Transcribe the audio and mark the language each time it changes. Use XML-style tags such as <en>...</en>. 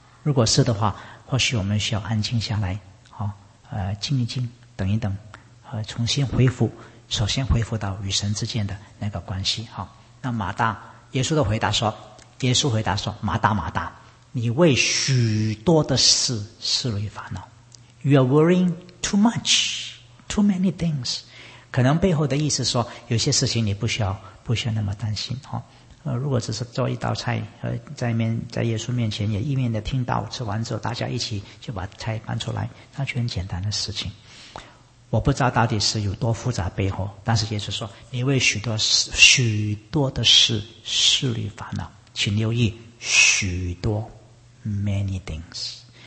<zh>如果是的话，或许我们需要安静下来，静一静，等一等，重新恢复，首先恢复到与神之间的那个关系。好，那马大，耶稣的回答说，耶稣回答说，马大马大，你为许多的事思虑烦恼。</zh> <en>You are worrying too much, too many things.</en> <zh>可能背后的意思说，有些事情你不需要那么担心。如果只是做一道菜，在耶稣面前也一面的听到，吃完之后大家一起就把菜搬出来，那就很简单的事情。我不知道到底是有多复杂背后，但是耶稣说，你为许多的事思虑烦恼，请留意许多</zh> <en>many things。</en>